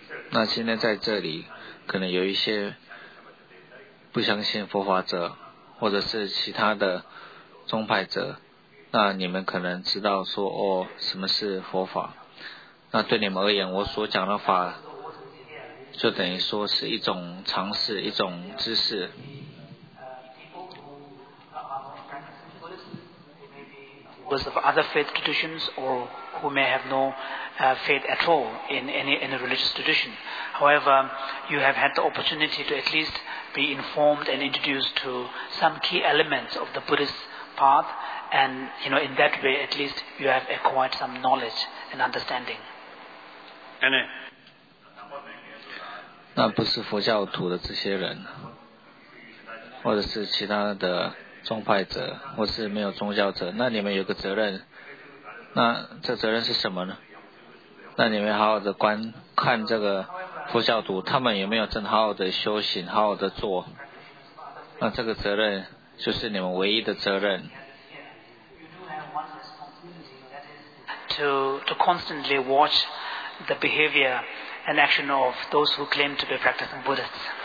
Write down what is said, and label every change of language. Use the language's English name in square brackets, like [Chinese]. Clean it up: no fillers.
[Chinese] 那现在在这里可能有一些不相信佛法者或者是其他的宗派者，那你们可能知道说哦，什么是佛法，那对你们而言我所讲的法就等于说是一种尝试，一种知识。 [English] Was of other faith traditions or who may have no faith at all in any religious tradition. However, you have had the opportunity to at least be informed and introduced to some key elements of the Buddhist path, and you know, in that way at least you have acquired some knowledge and understanding. [Chinese] 那不是佛教徒的这些人，或者是其他的宗派者或是没有宗教者，那你们有个责任，那这责任是什么呢？那你们好好的观看这个佛教徒，他们有没有正好好的修行，好好的做，那这个责任就是你们唯一的责任。 [English] to constantly watch the behavior and action of those who claim to be practicing Buddhists.